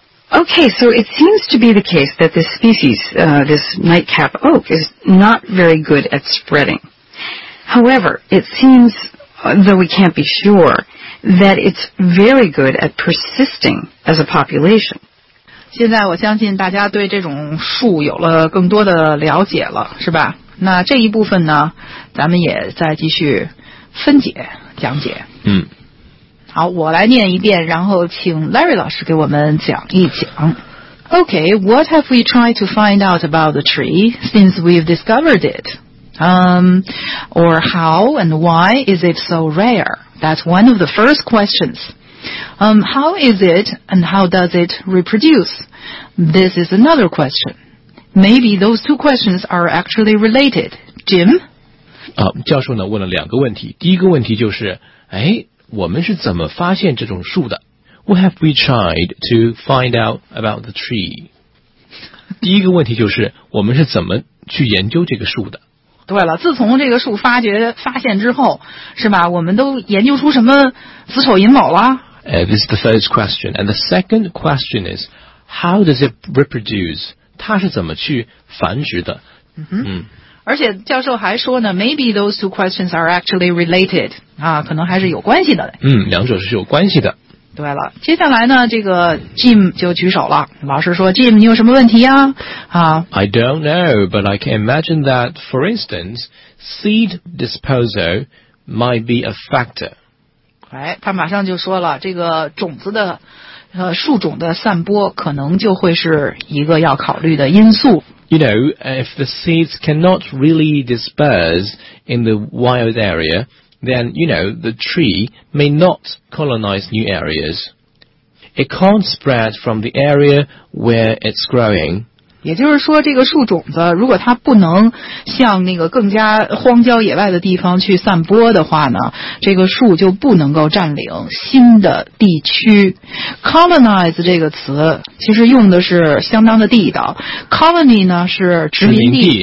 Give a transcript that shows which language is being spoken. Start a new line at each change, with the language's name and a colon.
English: Okay, so it seems to be the case that this species, this nightcap oak, is not very good at spreading. However, it seems, though we can't be sure, that it's very good at persisting as a population.
Chinese: 现在我相信大家对这种树有了更多的了解了，是吧？那这一部分呢，咱们也再继续分解，讲解。嗯。好，我来念一遍，然后请 Larry 老师给我们讲一讲。
English: Okay, what have we tried to find out about the tree since we've discovered it? Or how and why is it so rare? That's one of the first questions. How is it and how does it reproduce? This is another question. Maybe those two questions are actually related. Jim?
Chinese: 教授呢问了两个问题。第一个问题就是，哎，我们是怎么发现这种树的？
English: What have we tried to find out about the tree?
Chinese: 第一个问题就是，我们是怎么去研究这个树的？对了，自从这个树发现之后，是吧，我们都研究出什么子丑寅卯了？
English: This is the first question. And the second question is, how does it reproduce?
Chinese: 它是怎么去繁殖的？而且教授还说呢 ，
English: Maybe those two questions are actually related
Chinese: 啊，可能还是有关系的。两者是有关系的。对了，接下来呢，这个 Jim 就举手了。老师说 ，Jim， 你有什么问题呀？
English: I don't know, but I can imagine that, for instance, seed disposal might be a factor.
Chinese: 哎，他马上就说了，这个种子的树种的散播可能就会是一个要考虑的因素。
English: You know, if the seeds cannot really disperse in the wild area, then, you know, the tree may not colonize new areas. It can't spread from the area where it's growing.
Chinese: 也就是说这个树种子如果它不能向那个更加荒郊野外的地方去散播的话呢，这个树就不能够占领新的地区。 Colonize 这个词其实用的是相当的地道， Colony 呢是殖民 地、